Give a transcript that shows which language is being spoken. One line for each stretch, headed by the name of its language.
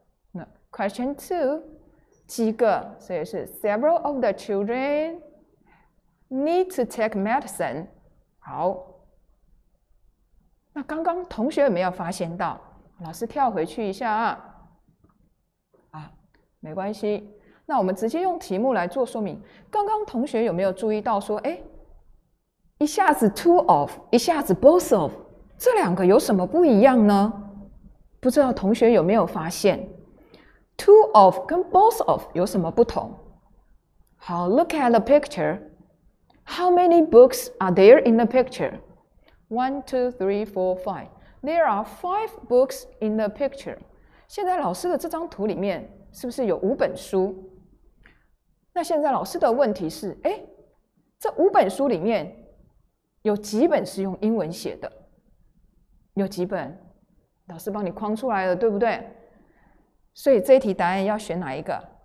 English: 那 question two 几个，所以是 several of the children。 Need to take medicine。
Chinese: 好，那刚刚同学有没有发现到？老师跳回去一下啊。啊，没关系。那我们直接用题目来做说明。刚刚同学有没有注意到说，哎，一下子 two of，一下子 both of，这两个有什么不一样呢？不知道同学有没有发现，two of 跟 both of 有什么不同？
English: 好，look at the picture。 How many books are there in the picture? One, two, three, four, five. There are five books in the picture.
Chinese: 现在老师的这张图里面是不是有五本书？那现在老师的问题是：哎，这五本书里面有几本是用英文写的？有几本？老师帮你框出来了，对不对？所以这一题答案要选哪一个？